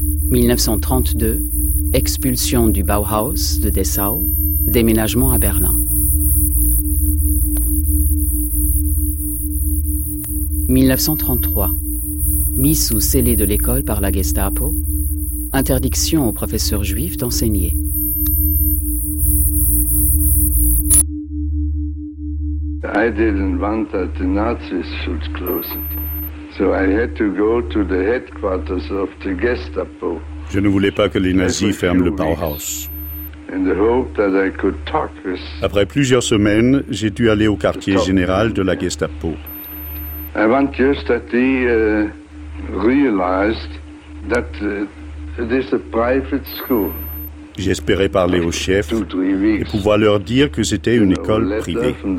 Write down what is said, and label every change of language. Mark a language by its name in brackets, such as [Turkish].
[French] ...1932, expulsion du Bauhaus de Dessau, déménagement à Berlin. ...1933, mis sous scellé de l'école par la Gestapo, interdiction aux professeurs juifs d'enseigner. [English] I didn't want that the Nazis should close it. So I had to go to the headquarters of the Gestapo. [French] Je ne voulais pas que les nazis ferment le Bauhaus. [English] In the hope that I could talk with... [French] Après plusieurs semaines, j'ai dû aller au quartier général de la Gestapo. [English] I want just that he realized that it is a private school. [French] J'espérais parler au chef et pouvoir leur dire que c'était une école privée.